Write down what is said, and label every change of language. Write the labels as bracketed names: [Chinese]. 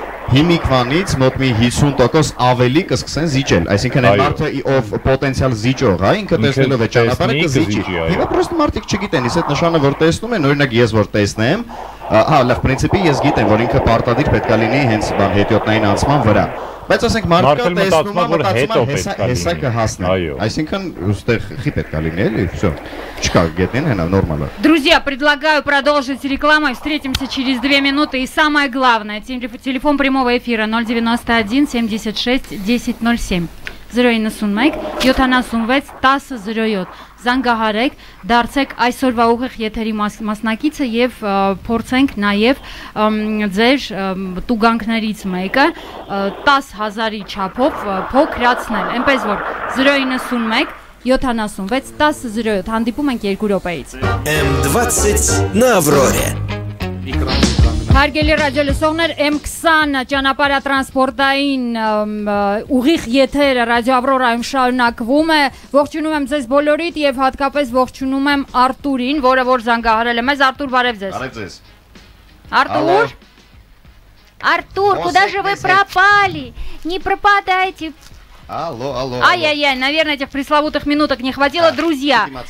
[Armenian] հիմիկվանից մոտ մի 50% ավելի կսկսեն զիջել, այսինքն այն մարդը, ով պոտենցիալ զիջող, հա, ինքը տեսնելով է ճանապարհը կզիջի, հիմա պրոստ մարդիկ չգիտեն, իսկ այդ նշանը որ տեսնում են, օրինակ ես որ տեսնեմ, հա, լավ, պրինցիպի ես գիտեմ, որ ինքը պարտադիր պետք է լինի հենց բան հետիոտնային անցման վրա, բայց ասենք մարդը տեսնում է, մտածում է, հեսա կհասնի, այսինքն ուստեղ խի պետք է լինի, էլի, վсё, չկա գետնին, հենա նորմալ է։ [Russian] Друзья, предлагаю продолжить рекламу, встретимся через 2 минуты, и самое главное, телефон прямого эфира 091-76-1007. [Armenian] Զրոյինը սուն մայք, 76-10 զրոյոտ, զանգահարեք, դարձեք այսօրվա ուղիղ եթերի մասնակիցը և փորձենք նաև ձեր տուգանքներից մեկը 10,000-ի չափով փոքրացնել, ենպես որ 091-76-10-07, հանդիպում ենք 2 րոպեից։ M20 նա Ավրորե։ Հարգելի ռադիոլսողներ, M20-ը ճանապարհ տրանսպորտային ուղիղ եթերը Ռադիո Ավրորայում շարունակվում է, ողջունում եմ ձեզ բոլորիդ և հատկապես ողջունում եմ Արտուրին, որը որ զանգահարել է մեզ, Արտուր, բարև ձեզ։ Բարև ձեզ։ Արտուր։ Արտուր, [Russian] куда же вы пропали? Не пропадайте. Алло, алло. Ай-яй-яй, наверное, этих пресловутых минуток не хватило, да, друзья.